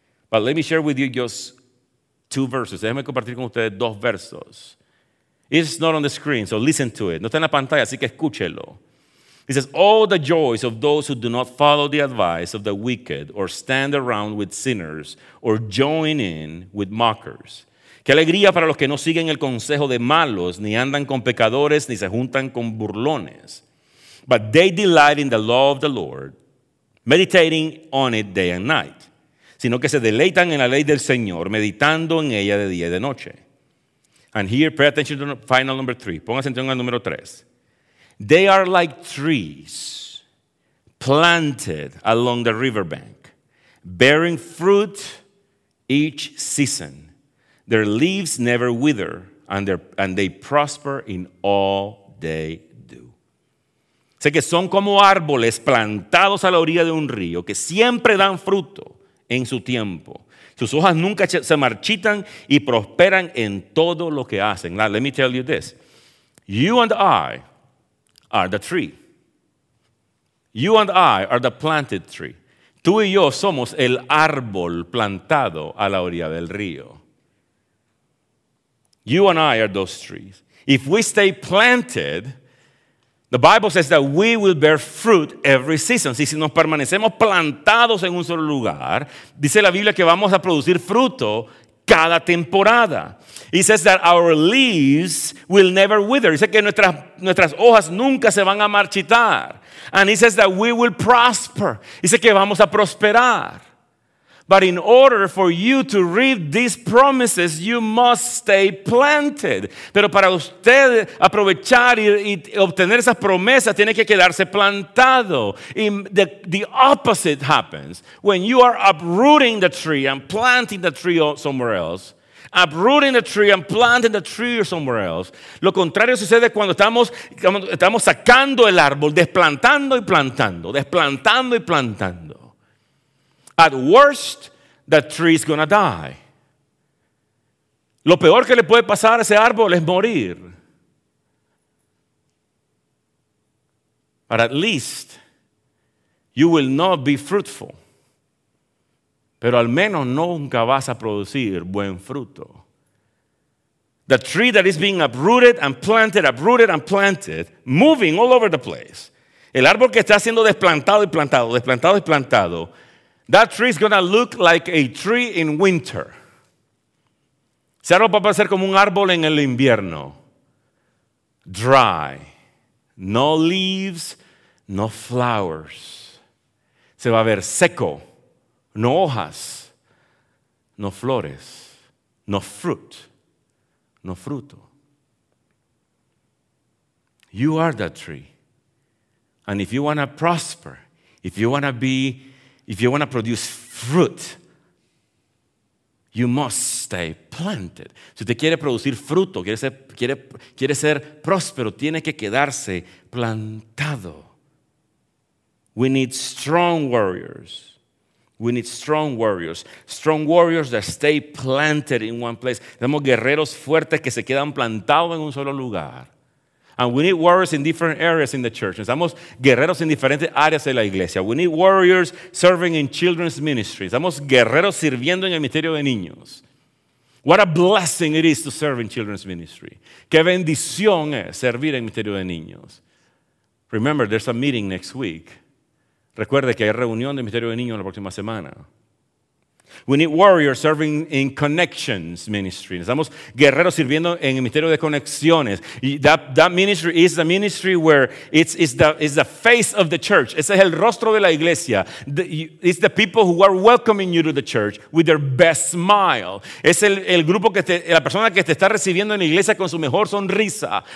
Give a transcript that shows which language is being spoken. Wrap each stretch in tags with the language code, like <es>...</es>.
<en>But let me share with you just 2 verses.</en> <es>Déjenme compartir con ustedes 2 versos.</es> <en>It's not on the screen, so listen to it.</en> <es>No está en la pantalla, así que escúchelo.</es> <en>He says, all the joys of those who do not follow the advice of the wicked or stand around with sinners or join in with mockers.</en> <es>Qué alegría para los que no siguen el consejo de malos, ni andan con pecadores, ni se juntan con burlones.</es> <en>But they delight in the law of the Lord, meditating on it day and night.</en> <es>Sino que se deleitan en la ley del Señor, meditando en ella de día y de noche.</es> <en>And here, pay attention to final number three.</en> <es>Pongan atención al número tres.</es> <en>They are like trees planted along the riverbank, bearing fruit each season. Their leaves never wither, and they prosper in all they do.</en> <es>Sé que son como árboles plantados a la orilla de un río que siempre dan fruto en su tiempo. Sus hojas nunca se marchitan y prosperan en todo lo que hacen.</es> <en>Now, let me tell you this. You and I are the tree. You and I are the planted tree.</en> <es>Tú y yo somos el árbol plantado a la orilla del río.</es> <en>You and I are those trees. If we stay planted, the Bible says that we will bear fruit every season.</en> <es>Si nos permanecemos plantados en un solo lugar, dice la Biblia que vamos a producir fruto cada temporada.</es> <en>It says that our leaves will never wither.</en> <es>Dice que nuestras hojas nunca se van a marchitar.</es> <en>And it says that we will prosper.</en> <es>Dice que vamos a prosperar.</es> <en>But in order for you to reap these promises, you must stay planted.</en> <es>Pero para usted aprovechar y obtener esas promesas, tiene que quedarse plantado.</es> <en>The opposite happens. When you are uprooting the tree and planting the tree somewhere else, uprooting the tree and planting the tree somewhere else.</en> <es>Lo contrario sucede cuando estamos sacando el árbol, desplantando y plantando.</es> <en>At worst, the tree is gonna die.</en> <es>Lo peor que le puede pasar a ese árbol es morir.</es> <en>But at least, you will not be fruitful.</en> <es>Pero al menos nunca vas a producir buen fruto.</es> <en>The tree that is being uprooted and planted, moving all over the place.</en> <es>El árbol que está siendo desplantado y plantado,</es> <en>that tree is going to look like a tree in winter.</en> <es>Ese árbol va a parecer como un árbol en el invierno.</es> <en>Dry. No leaves, no flowers.</en> <es>Se va a ver seco. No hojas. No flores.</es> <en>No fruit.</en> <es>No fruto.</es> <en>You are that tree. And if you want to prosper, if you want to produce fruit, you must stay planted.</en> <es>Si usted quiere producir fruto, quiere ser próspero, tiene que quedarse plantado.</es> <en>We need strong warriors. We need strong warriors. Strong warriors that stay planted in one place.</en> <es>Tenemos guerreros fuertes que se quedan plantados en un solo lugar.</es> <en>And we need warriors in different areas in the church.</en> <es>Necesitamos guerreros en diferentes áreas de la iglesia.</es> <en>We need warriors serving in children's ministry.</en> <es>Necesitamos guerreros sirviendo en el ministerio de niños.</es> <en>What a blessing it is to serve in children's ministry.</en> <es>Qué bendición es servir en el ministerio de niños.</es> <en>Remember, there's a meeting next week.</en> <es>Recuerde que hay reunión del ministerio de niños la próxima semana.</es> <en>We need warriors serving in connections ministry.</en> <es>Necesitamos guerreros sirviendo en el ministerio de conexiones.</es> <en>That ministry is the ministry where it's the face of the church.</en> <es>Ese es el rostro de la iglesia.</es> <en>It's the people who are welcoming you to the church with their best smile.</en> <es>Es el grupo la persona que te está recibiendo en la iglesia con su mejor sonrisa.</es>